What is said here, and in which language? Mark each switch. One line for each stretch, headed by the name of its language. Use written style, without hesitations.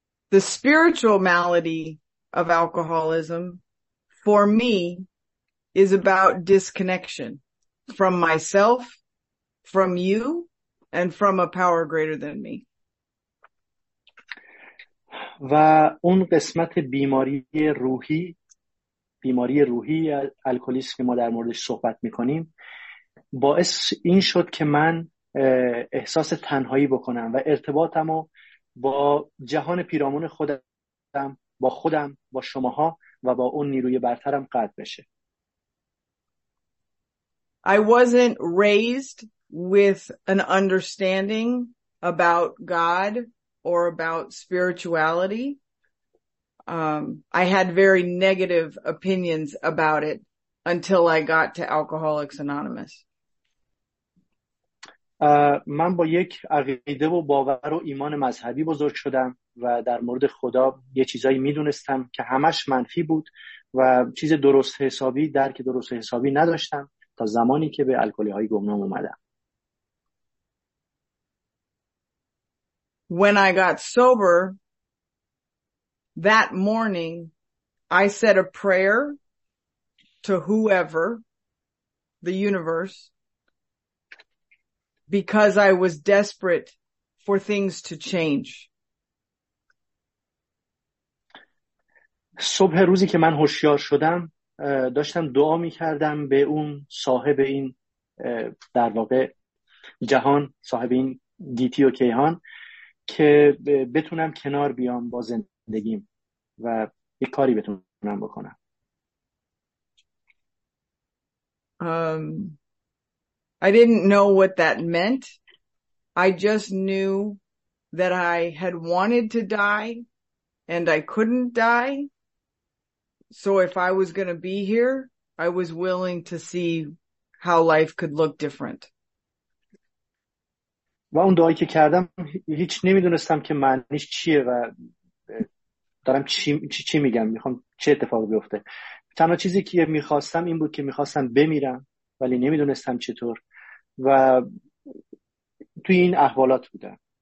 English: The spiritual malady of alcoholism for me is about disconnection from myself, from you, and from a power greater than me.
Persian: و اون قسمت بیماری روحی الکلیسم که ما در موردش صحبت میکنیم باعث این شد که من احساس تنهایی بکنم و ارتباطمو با جهان پیرامون خودم، با خودم، با شماها و با اون نیروی برترم قطع بشه.
English: I wasn't raised with an understanding about God or about spirituality. I had very negative opinions about it until I got to Alcoholics Anonymous.
Persian: من با یک عقیده و باور و ایمان مذهبی بزرگ شدم و در مورد خدا یه چیزایی میدونستم که همش منفی بود و چیز درست حسابی، درک درست حسابی نداشتم تا زمانی که به الکلی های گمنام اومدم.
English: When I got sober that morning, I said a prayer to whoever, the universe, because I was desperate for things to change.
Persian: صبح روزی که من هوشیار شدم داشتم دعا می کردم به اون صاحب این در واقع جهان، صاحب این گیتی و کیهان، که بتونم کنار بیام با زندگیم و یک کاری بتونم بکنم.
English: I didn't know what that meant. I just knew that I had wanted to die and I couldn't die. So if I was going to be here, I was willing to see how life could look different.
Persian: و اون دعایی که کردم هیچ نمیدونستم که معنیش چیه و دارم چی میگم، میخوام چه اتفاق بیفته. تنها چیزی که میخواستم این بود که میخواستم بمیرم ولی نمیدونستم چطور و توی این احوالات بودم.